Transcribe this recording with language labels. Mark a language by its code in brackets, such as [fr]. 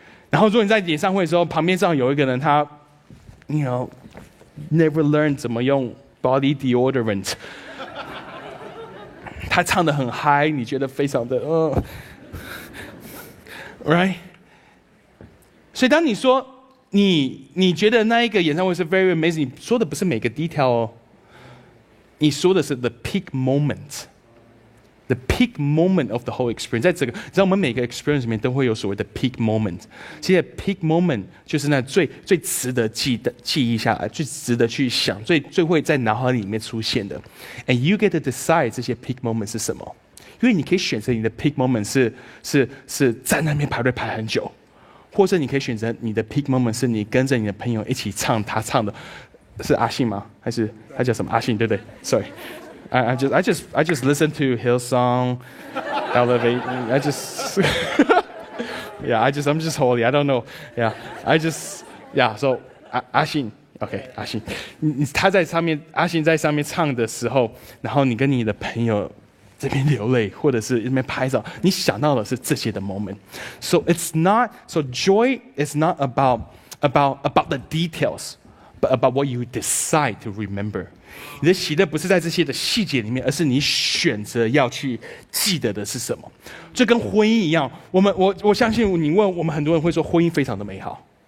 [zh] 然后如果你在演唱会的时候旁边上有一个人，他 [en] you know never learned [zh] 怎么用 body deodorant， 他唱得很 high， 你觉得非常的right。所以当你说你觉得那一个演唱会是 [en] very amazing， [zh] 你说的不是每个 detail 哦，你说的是 [en] the peak moment， The peak moment of the whole experience. [zh] 在这个，在我们每个 experience 里面都会有所谓的 peak moment。其实 peak moment 就是那最值得记忆下来，最值得去想，最会在脑海里面出现的。 [en] And you get to decide [zh] 这些 [en] peak moment [zh] 是什么。因为你可以选择你的 peak moment 是在那边排队排很久，或者你可以选择你的 peak moment 是你跟着你的朋友一起唱他唱的，是阿信吗？还是他叫什么阿信？对不对 [en] ？Sorry, I just listen to Hillsong, Elevate. I just yeah, I'm just holy. I don't know. Yeah, I just yeah. So 阿信。 [zh] OK， 阿信，他在上面，阿信在上面唱的时候，然后你跟你的朋友这边流泪，或者是这边拍照，你想到的是这些的 moment。 [en] So joy is not about the details, but about what you decide to remember。 [zh] 你的喜乐不是在这些的细节里面，而是你选择要去记得的是什么。就跟婚姻一样，我相信你问我们很多人会说婚姻非常的美好。